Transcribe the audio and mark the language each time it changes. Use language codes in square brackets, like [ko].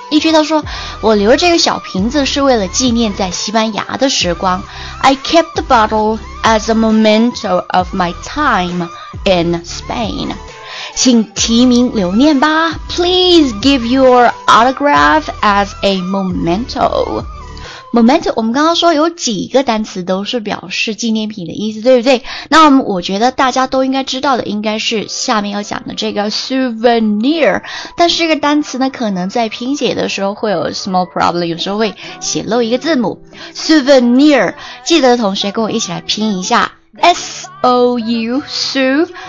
[zh] 例句他说，我留这个小瓶子是为了纪念在西班牙的时光。 [en] I kept the bottle as a memento of my time in Spain. [zh] 请提名留念吧 [en] Please give your autograph as a memento [zh] Memento 我们刚刚说有几个单词都是表示纪念品的意思对不对那我觉得大家都应该知道的应该是下面要讲的这个 souvenir 但是这个单词呢可能在拼写的时候会有 [en] small problem [zh] 有时候会写漏一个字母 souvenir 记得的同学跟我一起来拼一下S-O-U, S-O-U-V-E-V-N-I-R,